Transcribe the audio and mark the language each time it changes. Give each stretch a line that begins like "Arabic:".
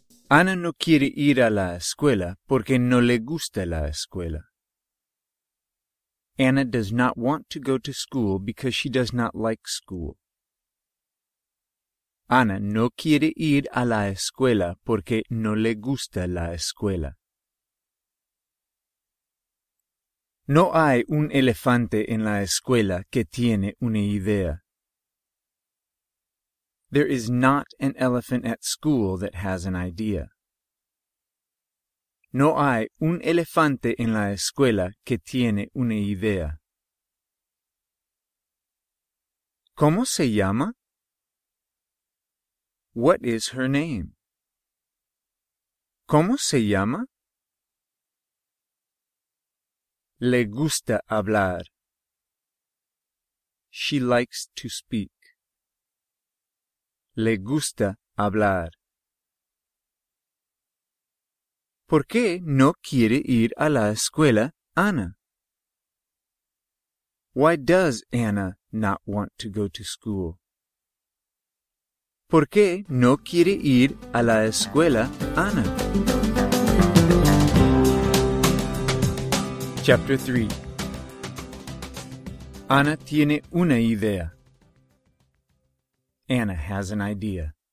Spanish: Anna no quiere ir a la escuela porque no le gusta la escuela.
English: Anna does not want to go to school because she does not like school.
Spanish: Anna no quiere ir a la escuela porque no le gusta la escuela. No hay un elefante en la escuela que tiene una idea.
English: There is not an elephant at school that has an idea.
Spanish: No hay un elefante en la escuela que tiene una idea. ¿Cómo se llama?
English: What is her name?
Spanish: ¿Cómo se llama? Le gusta hablar.
English: She likes to speak.
Spanish: Le gusta hablar. ¿Por qué no quiere ir a la escuela, Anna?
English: Why does Anna not want to go to school?
Spanish: ¿Por qué no quiere ir a la escuela, Anna?
English: Chapter 3.
Spanish: Anna tiene una idea.
English: Anna has an idea.